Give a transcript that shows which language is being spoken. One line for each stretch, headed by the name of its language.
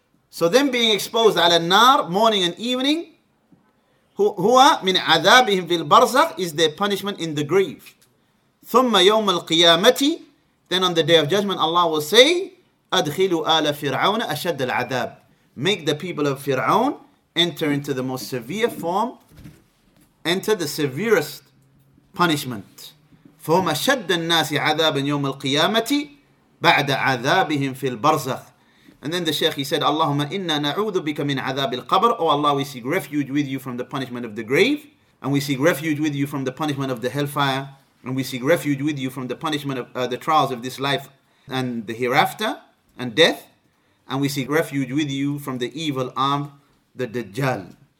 English: So then being exposed
Arabic: ala nar,
English: morning and evening,
Arabic: huwa min adabihim fil barzakh,
English: is their punishment in the grave.
Arabic: Thumma Yawm al-Qiyamati,
English: then on the Day of Judgment, Allah will say,
Arabic: adkhilu ala Fir'auna ashad al-adab.
English: Make the people of Fir'aun enter into the most severe form, enter the severest punishment.
Arabic: فهم أشد الناس عذابا يوم القيامة بعد عذابهم في البرزخ.
English: And then the Shaykh, he said,
Arabic: اللهم إنا نعوذ بك من عذاب القبر.
English: Oh Allah, we seek refuge with you from the punishment of the grave, and we seek refuge with you from the punishment of the hellfire, and we seek refuge with you from the punishment of the trials of this life and the hereafter and death. And we seek refuge with you from the evil arm, the Dajjal.